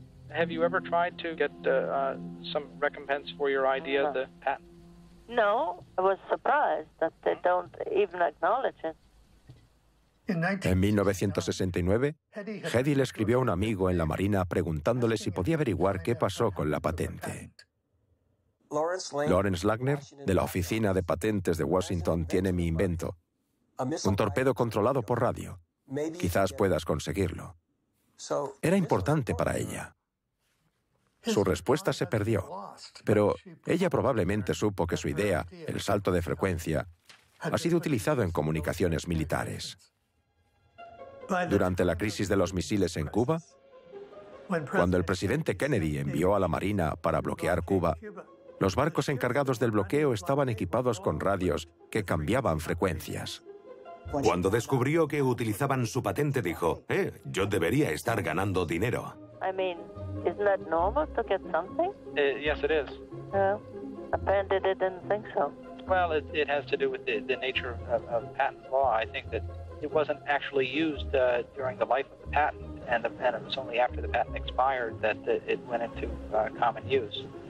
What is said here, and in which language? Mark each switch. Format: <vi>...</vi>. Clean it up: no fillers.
<en>Have you ever tried to get some recompense for your idea, the patent? No, I was surprised that they don't even acknowledge it.</en> <es>En 1969, Hedy le escribió a un amigo en la Marina preguntándole si podía averiguar qué pasó con la patente. Lawrence Langner, de la Oficina de Patentes de Washington, tiene mi invento. Un torpedo controlado por radio. Quizás puedas conseguirlo. Era importante para ella. Su respuesta se perdió, pero ella probablemente supo que su idea, el salto de frecuencia, ha sido utilizado en comunicaciones militares. Durante la crisis de los misiles en Cuba, cuando el presidente Kennedy envió a la Marina para bloquear Cuba, los barcos encargados del bloqueo estaban equipados con radios que cambiaban frecuencias. Cuando descubrió que utilizaban su patente, dijo, yo debería estar ganando dinero.</es> <en>I mean, isn't that normal to get something? Yes, it is. Apparently they didn't think so. Well, it has to do with the nature of patent law. I think that it wasn't actually used during the life of the patent, and it was only after the patent expired that it went into common use.</en>